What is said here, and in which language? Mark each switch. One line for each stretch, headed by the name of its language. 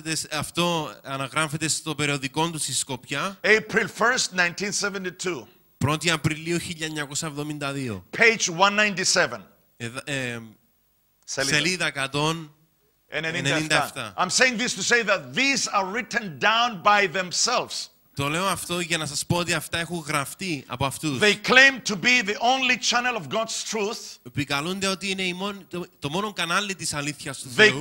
Greek: Αυτό αναγράφεται στο περιοδικό τους η Σκοπιά.
English: April 1, 1972.
Greek: 1 Απριλίου 1972.
English: Page 197.
Greek: Σελίδα 197.
English: I'm saying this to say that these are written down by themselves.
Greek: Το λέω αυτό για να σας πω ότι αυτά έχουν γραφτεί από αυτούς.
English: They claim to be the only channel of God's truth.
Greek: Επικαλούνται ότι είναι το μόνο κανάλι της αλήθειας του Θεού.